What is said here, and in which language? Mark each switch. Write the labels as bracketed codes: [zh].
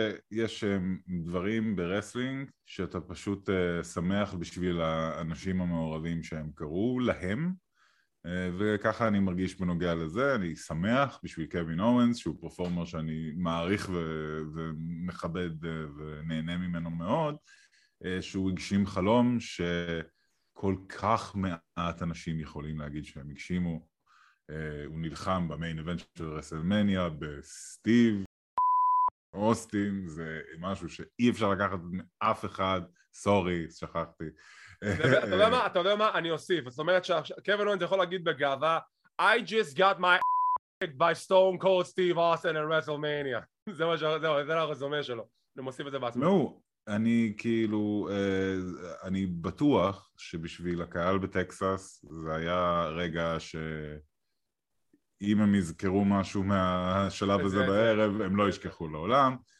[he] יש דברים ברסלינג שאתה פשוט שמח בשביל האנשים המעורבים שהם קראו להם, וככה אני מרגיש בנוגע לזה, אני שמח בשביל קווין אורנס, שהוא פרפורמר שאני מעריך ומכבד ונהנה ממנו מאוד, שהוא הגשים חלום שכל כך מעט אנשים יכולים להגיד שהם הגשימו. הוא נלחם במיין אבנט של רסלמניה בסטיב אוסטין, זה משהו שאי אפשר לקחת מאף אחד, סורי, שכחתי. אתה יודע מה? אני אוסיף. זאת אומרת שקווין אורנס יכול להגיד בגאווה, [en] I just got my ass kicked by Stone Cold Steve Austin in WrestleMania. [he] זהו, זה הרזומה שלו. אני מוסיף את זה בעצמו. נו, אני כאילו, אני בטוח שבשביל הקהל בטקסס, זה היה רגע ש... אם הם יזכרו משהו מהשלב הזה בערב, הם לא ישכחו לעולם.